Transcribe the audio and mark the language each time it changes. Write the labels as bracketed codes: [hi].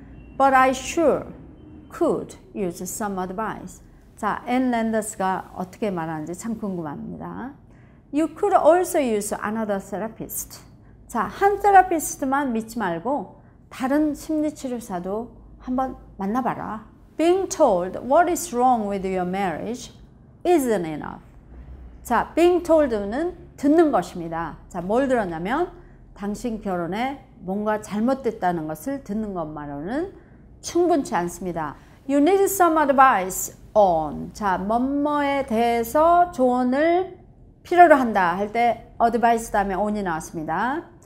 [en] But I sure could use some advice. [ko] 자, Ann Landers가 어떻게 말하는지 참 궁금합니다. [en] You could also use another therapist. [ko] 자, 한 테라피스트만 믿지 말고 다른 심리치료사도 한번 만나봐라. [en] Being told what is wrong with your marriage isn't enough. [ko] 자, [en] being told [ko] 는 듣는 것입니다. 자, 뭘 들었냐면 당신 결혼에 뭔가 잘못됐다는 것을 듣는 것만으로는 충분치 않습니다. [en] You need some advice on. [ko] 자, 뭐뭐에 대해서 조언을 필요로 한다 할 때 advice 다음에 on이 나왔습니다.